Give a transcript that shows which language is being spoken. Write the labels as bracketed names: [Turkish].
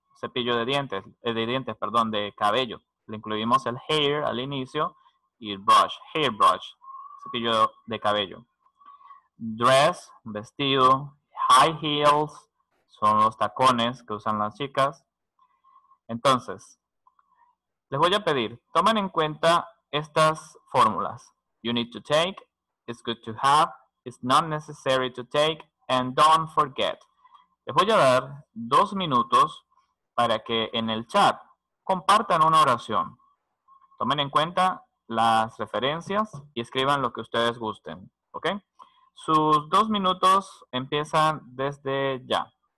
[Spanish] Cepillo de dientes, perdón, de cabello. Le incluimos el hair al inicio y el brush, hairbrush, cepillo de cabello. Dress, vestido, high heels, son los tacones que usan las chicas. Entonces, les voy a pedir, tomen en cuenta estas fórmulas. [English] You need to take, it's good to have, it's not necessary to take, and don't forget. [Spanish] Les voy a dar 2 minutos para que en el chat compartan una oración. tomen en cuenta las referencias y escriban lo que ustedes gusten, ¿ok? Sus 2 minutos empiezan desde ya.